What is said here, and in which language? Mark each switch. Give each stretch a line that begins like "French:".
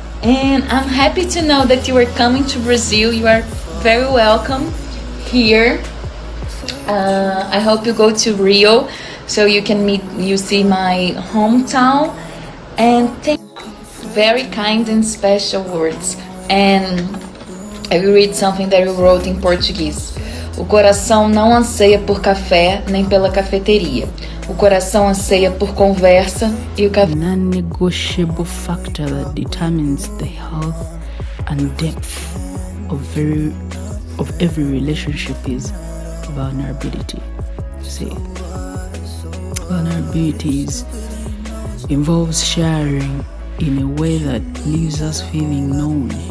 English: And I'm happy to know that you are coming to Brazil. You are very welcome here. I hope you go to Rio so you can meet, you see my hometown. And thank you. Very kind and special words. And I will read something that you wrote in Portuguese.
Portuguese: O coração não anseia por café, nem pela cafeteria. O coração anseia por conversa e o café...
English: Non-negotiable factor that determines the health and depth of every relationship is vulnerability. See, vulnerability involves sharing in a way that leaves us feeling known.